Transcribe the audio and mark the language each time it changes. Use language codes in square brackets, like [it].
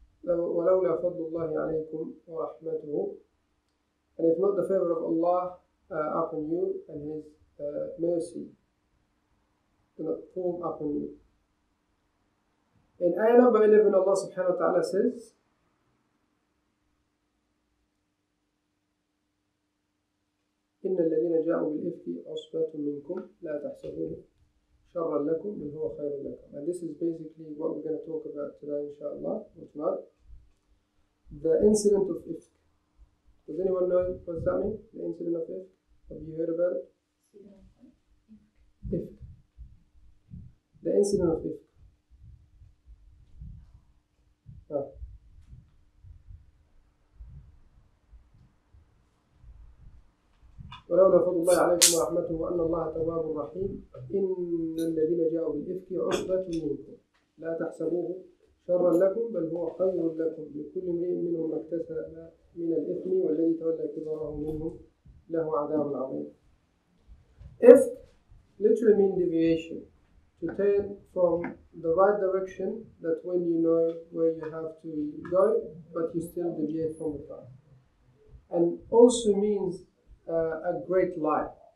[ar] وَلَوْلَا فَضْلُ اللَّهِ عَلَيْكُمْ وَرَحْمَتُهُ. [en] And if not the favor of Allah upon you and His mercy fall upon you. In ayah number 11, Allah subhanahu wa ta'ala says, [ar] إِنَّ الَّذِينَ جَاءُوا بِالْإِفْكِ عُصْبَةٌ مِّنْكُمْ لَا تَحْسَبُوهُ شَرًّا لَكُمْ بَلْ هُوَ خَيْرٌ لَكُمْ. [en] And this is basically what we're going to talk about today, inshallah, tonight. The incident of ifk. Does anyone know what that means? The incident of ifk? Have you heard about it? Ifk. The incident of ifk. Oh. [ar] ولولا فضل الله عليكم ورحمته وأن الله تواب رحيم إن الذين جاءوا بالإفك عصبة منكم لا تحسبوه شرا لكم بل هو خير لكم لكل امرئ منهم ما اكتسب من الإثم والذي تولى كبره منهم له عذاب عظيم. [en] إفك literally means deviation, to turn from the right direction, that when you know where you have to go but you still deviate from the path. And also means a great lie.